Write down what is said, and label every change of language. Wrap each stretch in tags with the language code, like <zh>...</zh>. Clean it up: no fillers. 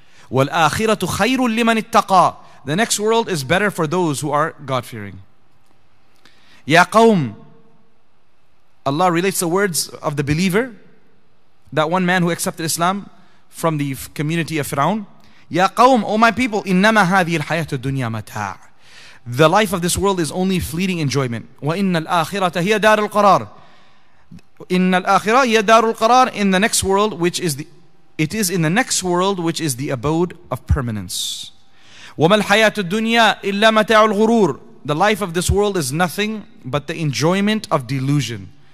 <ar>وَالْآخِرَةُ خَيْرٌ لِمَنِ اتَّقَى.</ar> <en>The next world is better for those who are God-fearing.</en> <ar>يَا قَوْمُ.</ar> <en>Allah relates the words of the believer, that one man who accepted Islam from the community of Fir'aun.</en> <ar>يَا قَوْمُ.</ar> <en>O my people,</en> <ar>إِنَّمَا هَذِهِ الْحَيَاةُ الدُّنْيَا مَتَاعٌ.</ar> <en>The life of this world is only fleeting enjoyment.</en> <ar>وَإِنَّ الْآخِرَةَ هِيَ دَارُ الْقَرَارِ.</ar> <en>In</en> <ar>al-akhirah ya darul qarar,</ar> <en>in the next world, which is the abode of permanence.</en> <ar>Wamal hayatu dunya illa mata'ul ghurur.</ar> <en>The life of this world is nothing but the enjoyment of delusion.</en>